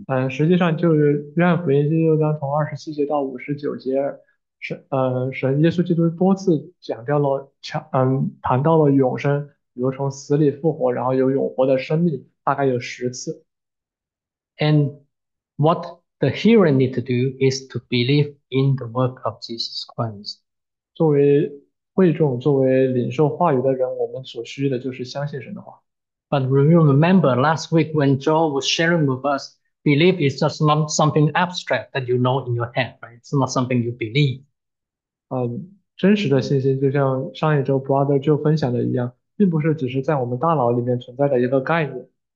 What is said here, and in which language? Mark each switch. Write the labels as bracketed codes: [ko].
[zh] 实际上就是约翰福音16:27-59，神耶稣基督多次强调了，谈到了永生，比如从死里复活，然后有永活的生命，大概有10次。 [en] And what the hearer need to do is to believe in the work of Jesus Christ. [zh] 作为会众，作为领受话语的人，我们所需的就是相信神的话。 [en] But remember last week when Joel was sharing with us, belief is just not something abstract that you know in your head, right? It's not something you believe. [zh] 真实的信心就像上一周 Brother 就分享的一样，并不是只是在我们大脑里面存在的一个概念。